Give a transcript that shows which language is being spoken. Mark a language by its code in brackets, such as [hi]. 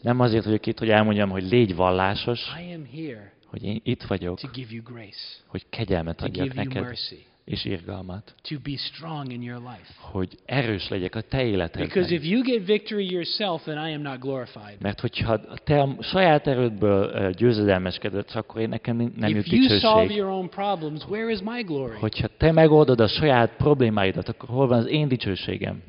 [hu] Nem azért vagyok itt, hogy elmondjam, hogy légy vallásos. [en] I am here, [hu] hogy én itt vagyok, [en] to give you grace, [hu] hogy kegyelmet adjak neked, [en] mercy, [hu] és irgalmat, [en] to be strong in your life, [hu] hogy erős legyek a te életedben. [en] Because if you get victory yourself, then I am not glorified. [hu] Mert hogyha te a saját erődből győzedelmeskedsz, akkor én nekem nem [en] if [hu] jut dicsőség. [en] If you solve your own problems, where is my glory? [hu] Hogyha te megoldod a saját problémáidat, akkor hol van az én dicsőségem?